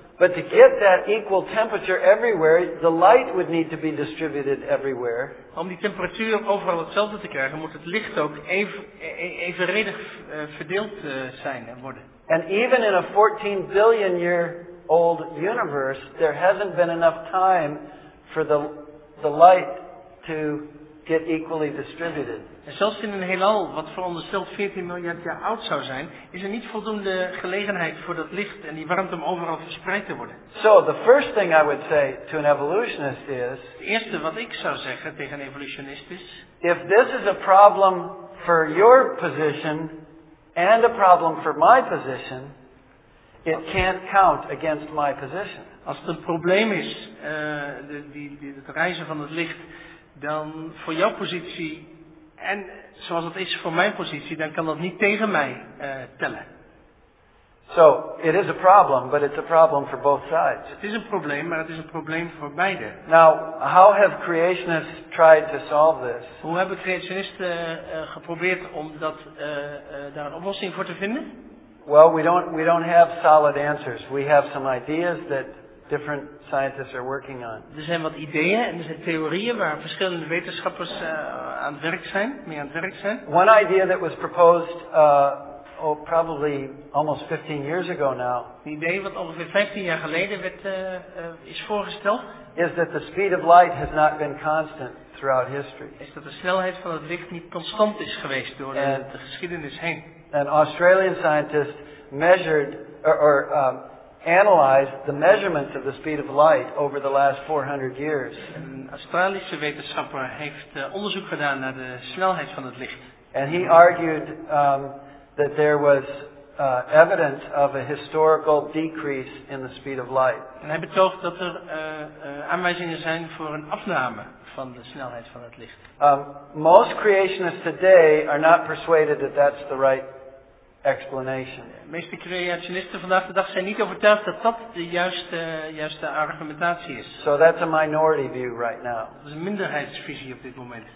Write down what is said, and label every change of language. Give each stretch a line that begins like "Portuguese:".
English: But to get that equal temperature everywhere, the light would need to be distributed everywhere.
Dutch: Om die temperatuur overal hetzelfde te krijgen, moet het licht ook evenredig verdeeld zijn en worden.
English: And even in a 14 billion year old universe, there hasn't been enough time for the light to get equally distributed.
Dutch: En zelfs in een heelal wat verondersteld 14 miljard jaar oud zou zijn, is er niet voldoende gelegenheid voor dat licht en die warmte om overal verspreid te worden.
English: So the first thing I would say to an evolutionist is,
Dutch: het eerste wat ik zou zeggen tegen een evolutionist is,
English: if this is a problem for your position and a problem for my position, it can't count against my position.
Dutch: Als het een probleem is, het reizen van het licht, dan voor jouw positie en zoals het is voor mijn positie, dan kan dat niet tegen mij tellen.
English: So, it is a problem, but it's a problem for both sides.
Dutch: Het is een probleem, maar het is een probleem voor beide.
English: Now, how have creationists tried to solve this?
Dutch: Hoe hebben creationisten geprobeerd om daar een oplossing voor te vinden?
English: Well, we don't have solid answers. We have some ideas that different scientists are working on.
Dutch: Er zijn wat ideeën en er zijn theorieën waar verschillende wetenschappers mee aan het werk zijn.
English: One idea that was proposed probably almost 15 years ago now.
Dutch: Een idee wat ongeveer 15 jaar geleden is voorgesteld.
English: Is that the speed of light has not been constant throughout history.
Dutch: Is dat de snelheid van het licht niet constant is geweest door de geschiedenis heen.
English: An Australian scientist measured analyzed the measurements of the speed of light over the last 400 years.
Dutch: Een Australische wetenschapper heeft onderzoek gedaan naar de snelheid van het licht.
English: And he argued that there was evidence of a historical decrease in the speed of light.
Dutch: En hij betoogt dat er aanwijzingen zijn voor een afname van de snelheid van het licht.
English: Most creationists today are not persuaded that that's the right explanation.
Dutch: De meeste creationisten vandaag de dag zijn niet overtuigd dat dat de juiste argumentatie is.
English: So that's a minority view right now.
Dutch: Dat is een minderheidsvisie op dit moment.